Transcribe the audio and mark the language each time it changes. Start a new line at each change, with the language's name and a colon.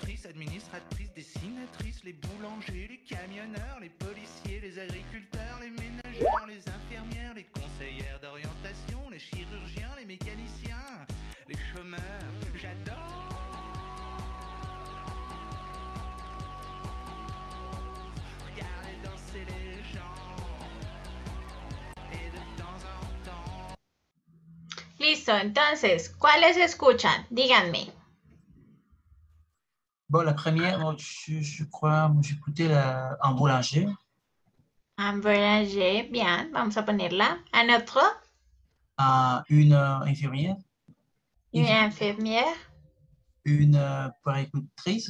French: Administratrices, dessinatrices, les boulangers, les camionneurs, les policiers, les agriculteurs, les ménagères, les infirmières, les conseillères d'orientation, les chirurgiens, les mécaniciens, les chômeurs. J'adore. Regardez danser les gens. Et de temps en temps.
Spanish: Listo, entonces, ¿cuáles escuchan? Díganme.
French: Bon, la première, je crois, j'écoutais un boulanger. Un boulanger, bien,
Spanish: vamos a ponerla.
French: Un autre? Une infirmière. Une infirmière. Une puéricultrice.